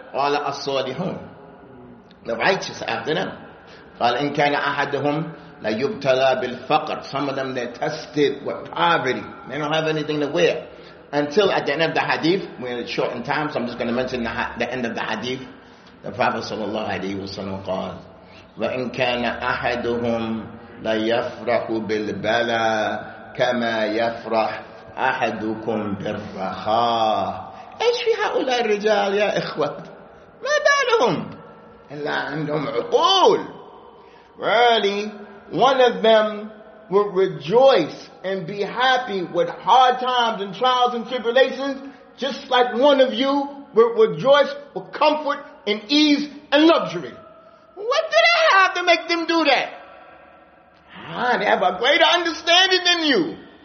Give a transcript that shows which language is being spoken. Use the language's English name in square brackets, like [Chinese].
[Arabic] قال الصالحون, [English] the righteous after them. [Arabic] قال إن كان أحدهم لا يبتلى بالفقر, [English] some of them they're tested with poverty, they don't have anything to wear. Until at the end of the hadith, we're short in time, so I'm just going to mention the end of the hadith. The Prophet [Arabic] صلى الله عليه وسلم قال وإن كان أحدهم لا يفرح بالبلاء كما يفرح أحدكم بالرخاء. إيش في هؤلاء الرجال يا إخوة؟ ما بالهم؟ إلا عندهم عقول. [English] Really, one of them would rejoice and be happy with hard times and trials and tribulations, just like one of you would rejoice with comfort and ease and luxury. What do they have to make them do that? They have a greater understanding than you.